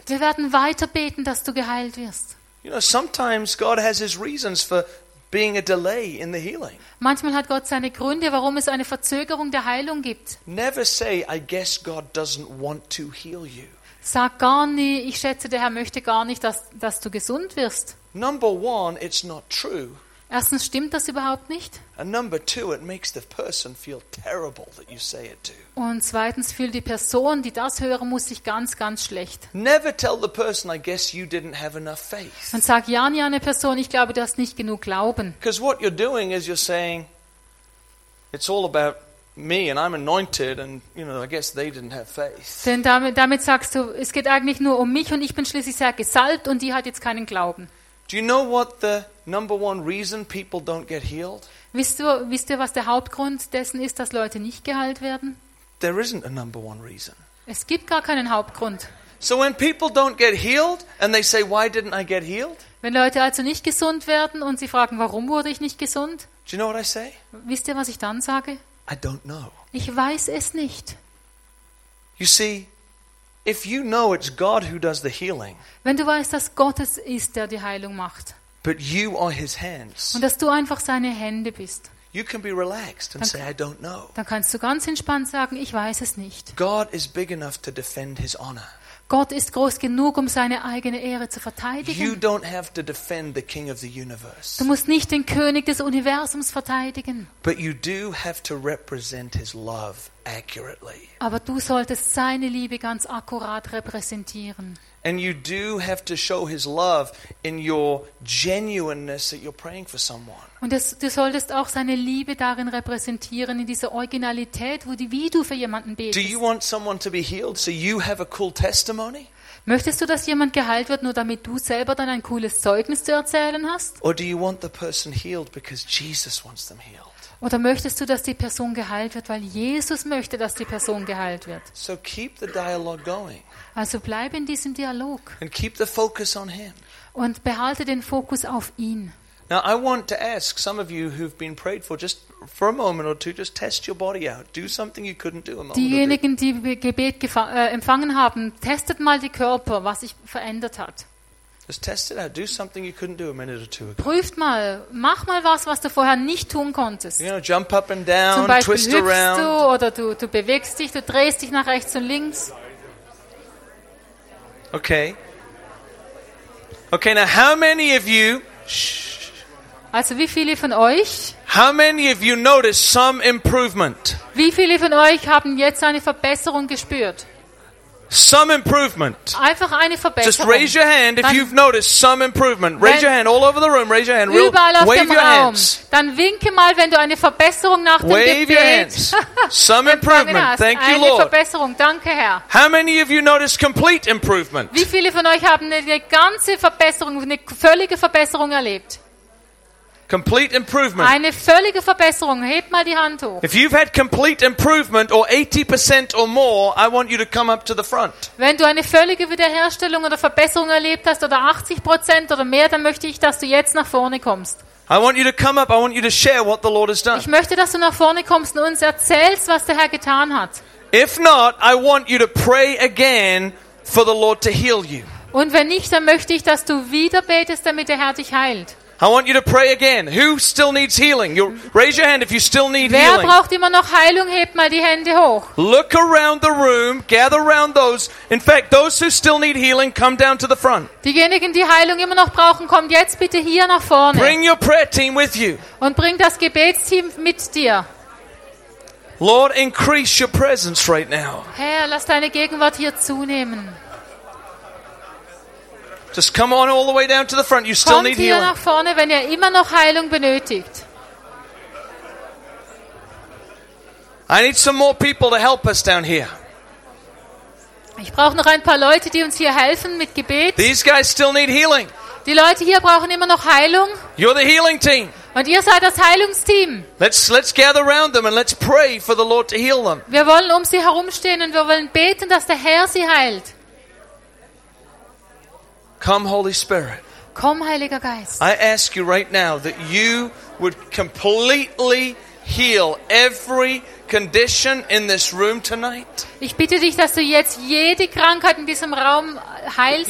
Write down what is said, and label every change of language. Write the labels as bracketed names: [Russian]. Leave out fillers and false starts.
[German] Wir werden weiter beten, dass du geheilt wirst. [English] You know, sometimes God has his reasons for being a delay in the healing. [German] Manchmal hat Gott seine Gründe, warum es eine Verzögerung der Heilung gibt. [English] Never say, I guess God doesn't want to heal you. [German] Sag gar nie, ich schätze, der Herr möchte gar nicht, dass du gesund wirst. [English] Number one, it's not true. [German] Erstens stimmt das überhaupt nicht. [English] And number two, it makes the person feel terrible that you say it to. [German] Und zweitens fühlt die Person, die das hören muss, sich ganz, ganz schlecht. [English] Never tell the person, I guess you didn't have enough faith. [German] Und sag ja nie einer Person, ich glaube, du hast nicht genug Glauben. [English] Because what you're doing is you're saying, it's all about me and I'm anointed and you know I guess they didn't have faith. [German] Denn damit sagst du, es geht eigentlich nur um mich und ich bin schließlich sehr gesalbt und die hat jetzt keinen Glauben. [English] Do you know what the number one reason people don't get healed? [German] Wisst ihr, was der Hauptgrund dessen ist, dass Leute nicht geheilt werden? [English] There isn't a number one reason. [German] Es gibt gar keinen Hauptgrund. [English] So when people don't get healed and they say why didn't I get healed? [German] Wenn Leute also nicht gesund werden und sie fragen, warum wurde ich nicht gesund? [English] Do you know what I say? [German] Wisst ihr, was ich dann sage? [English] I don't know. [German] Ich weiß es nicht. [English] You see, if you know it's God who does the healing. [German] Wenn du weißt, dass Gott es ist, der die Heilung macht. [English] But you are his hands. [German] Und dass du einfach seine Hände bist. [English] You can be relaxed and say I don't know. [German] Dann kannst du ganz entspannt sagen, ich weiß es nicht. [English] God is big enough to defend his honor. [German] Gott ist groß genug, um seine eigene Ehre zu verteidigen. [English] You don't have to defend the King of the Universe. [German] Du musst nicht den König des Universums verteidigen. [English] But you do have to represent his love accurately. [German] Aber du solltest seine Liebe ganz akkurat repräsentieren. [English] And you do have to show his love in your genuineness that you're praying for someone. [German] Und du solltest auch seine Liebe darin repräsentieren, in dieser Originalität, wie du für jemanden betest. [English] Do you want someone to be healed so you have a cool testimony? [German] Möchtest du, dass jemand geheilt wird, nur damit du selber dann ein cooles Zeugnis zu erzählen hast? [English] Or do you want the person healed because Jesus wants them healed? [German] Oder möchtest du, dass die Person geheilt wird, weil Jesus möchte, dass die Person geheilt wird? [English] So keep the dialogue going. [German] Also bleib in diesem Dialog. [English] And keep the focus on him. [German] Und behalte den Fokus auf ihn. [English] Now I want to ask some of you who've been prayed for just for a moment or two, just test your body out. Do something you couldn't do a moment ago. [German] Diejenigen, die Gebet empfangen haben, testet mal die Körper, was sich verändert hat. [English] Just test it out. Do something you couldn't do a minute or two ago. [German] Prüft mal, mach mal was du vorher nicht tun konntest. [English] You know, jump up and down, twist around. [German] Du oder du bewegst dich, du drehst dich nach rechts und links. [English] Okay. Okay, now how many of you? [German] Also wie viele von euch? [English] How many of you noticed some improvement? [German] Wie viele von euch haben jetzt eine Verbesserung gespürt? [English] Some improvement. [German] Einfach eine Verbesserung. [English] Just raise your hand if you've noticed some improvement. Raise your hand all over the room. Raise your hand. [German] Überall auf dem Raum. Dann winke mal, wenn du eine Verbesserung nach dem Gebet. [English] Wave your hands. Some improvement. Thank you, Lord. [German] Eine Verbesserung. Danke, Herr. [English] How many of you noticed complete improvement? [German] Wie viele von euch haben eine ganze Verbesserung, eine völlige Verbesserung erlebt? [English] Complete improvement. [German] Eine völlige Verbesserung. Hebt mal die Hand hoch. [English] If you've had complete improvement or 80% or more, I want you to come up to the front. [German] Wenn du eine völlige Wiederherstellung oder Verbesserung erlebt hast oder 80% oder mehr, dann möchte ich, dass du jetzt nach vorne kommst. [English] I want you to come up. I want you to share what the Lord has done. [German] Ich möchte, dass du nach vorne kommst und uns erzählst, was der Herr getan hat. [English] If not, I want you to pray again for the Lord to heal you. [German] Und wenn nicht, dann möchte ich, dass du wieder betest, damit der Herr dich heilt. [English] I want you to pray again. Who still needs healing? Raise your hand if you still need [German] Wer [English] healing. [German] Wer braucht immer noch Heilung? Hebt mal die Hände hoch. [English] Look around the room. Gather around those. In fact, those who still need healing, come down to the front. [German] Diejenigen, die Heilung immer noch brauchen, kommt jetzt bitte hier nach vorne. [English] Bring your prayer team with you. [German] Und bring das Gebetsteam mit dir. [English] Lord, increase your presence right now. [German] Herr, lass deine Gegenwart hier zunehmen. [English] Just come on all the way down to the front. You still need healing. [German] Kommt hier nach vorne, wenn ihr immer noch Heilung benötigt. [English] I need some more people to help us down here. [German] Ich brauche noch ein paar Leute, die uns hier helfen mit Gebet. [English] These guys still need healing. [German] Die Leute hier brauchen immer noch Heilung. [English] You're the healing team. [German] Und ihr seid das Heilungsteam. [English] Let's gather around them and let's pray for the Lord to heal them. [German] Wir wollen um sie herumstehen und wir wollen beten, dass der Herr sie heilt. [English] Come, Holy Spirit. [German] Komm, Heiliger Geist. [English] I ask you right now that you would completely heal every condition in this room tonight. [German] Ich bitte dich, dass du jetzt jede Krankheit in diesem Raum heilst.